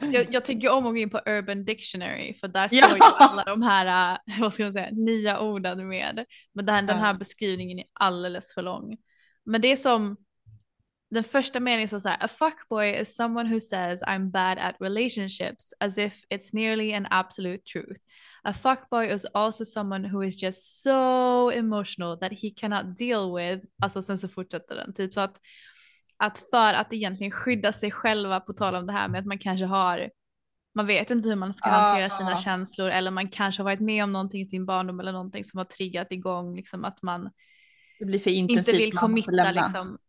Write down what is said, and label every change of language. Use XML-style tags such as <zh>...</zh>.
<sv>Jag tycker om att gå in på Urban Dictionary, för där står ju alla de här, vad ska man säga, nya orden med. Men den här beskrivningen är alldeles för lång. Men det är som, den första meningen är så här:</sv> <en>a fuckboy is someone who says I'm bad at relationships, as if it's nearly an absolute truth. A fuckboy is also someone who is just so emotional that he cannot deal with.</en> <sv>Alltså sen så fortsätter den. Typ så att för att egentligen skydda sig själva, på tal om det här med att man kanske har... Man vet inte hur man ska hantera sina känslor. Eller man kanske har varit med om någonting i sin barndom eller någonting som har triggat igång. Liksom att man, det blir för intensivt, inte vill committa. Liksom.</sv>